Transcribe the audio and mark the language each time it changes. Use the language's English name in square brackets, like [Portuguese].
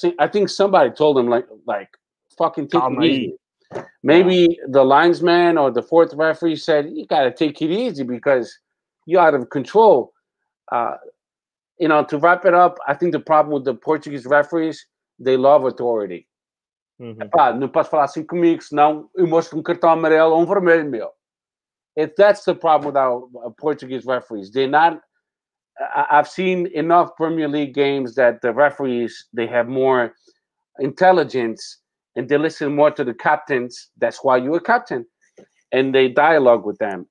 [English] I think somebody told him, like fucking take it easy. Maybe the linesman or the fourth referee said, you got to take it easy because you're out of control. You know, to wrap it up, I think the problem with the Portuguese referees, they love authority. Mm-hmm. [Portuguese] Não posso falar assim comigo, senão eu mostro cartão amarelo ou vermelho, meu. [English] If that's the problem with our Portuguese referees, they're not. I've seen enough Premier League games that the referees, they have more intelligence and they listen more to the captains. That's why you're a captain. And they dialogue with them.